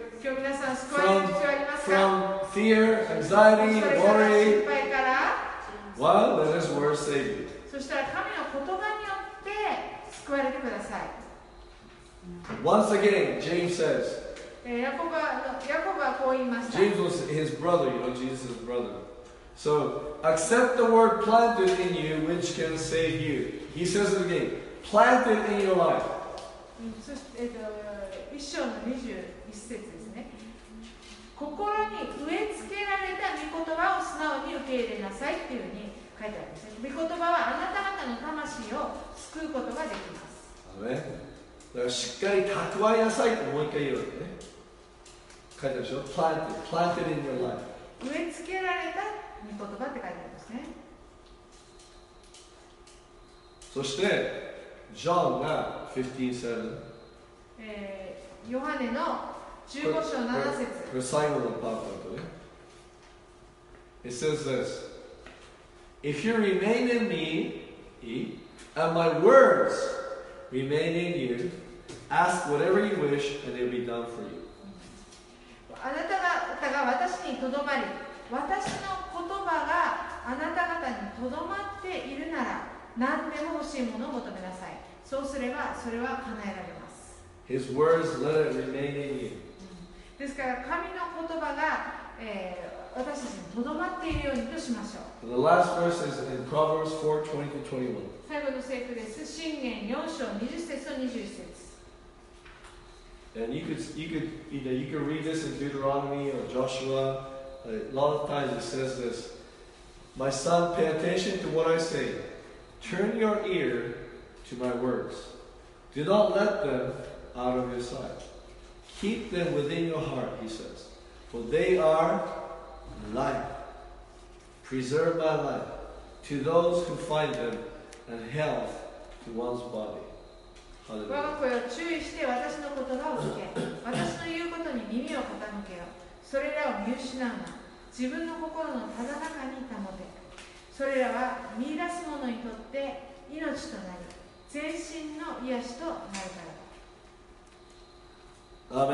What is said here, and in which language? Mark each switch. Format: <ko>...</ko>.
<ja>今日皆さん救われる必要ありますか？</ja> <en>From fear, anxiety, worry. Well, let His word save you.</en> <ja>そしたら神の言葉によって救われてください。</ja> <en>Once again, James says.</en> <ja>ヤコブはこう言いました。</ja> <en>James was his brother, you know, Jesus' brother. So accept the word planted in you, which can save you. He says it again. Planted in your life.</en> <ja>そして1章の21節ですね。心に植え付けられた御言葉を素直に受け入れなさいっていうふうに書いてあるんですね。御言葉はあなた方の魂を救うことができます。アメン。だからしっかり蓄えなさいってもう一回言うよね。書いてあるでしょ。</ja> <en>Planted in your life。</en> <ja>植え付けられた御言葉って書いてあるんですね。そしてジョンが15:7、ヨハネの15章7節、これ最後のパートだとね。</ja> <en>It says this: If you remain in me and my words remain in you, ask whatever you wish and it will be done for you。</en> <ja>あなた方が私にとどまり、私の言葉があなた方にとどまっているなら何でも欲しいものを求めなさい。そうすればそれは叶えられます。</ja> <en>His words, let it remain in you。</en> <ja>ですから神の言葉が、私たちにとどまっているようにとしましょう。</ja> <en>The last verse is in Proverbs 4:20-21。</en> <ja>最後の聖句です。箴言4章20節と21節。</ja> <en>And you could read this in Deuteronomy or Joshua. A lot of times it says this: My son, pay attention to what I say. Turn your ear to my words. Do not let them out of your sight. Keep them within your heart, he says. For they are life. Preserve my life to those who find them, and health to one's body. Hallelujah.</en> <ja>我が声を注意して私の言葉を聞け。私の言うことに耳を傾けよ。それらを見失うな。自分の心のただ中に保て。それらは見出す者にとって命となり、全身の癒しとなるからだ。</ja>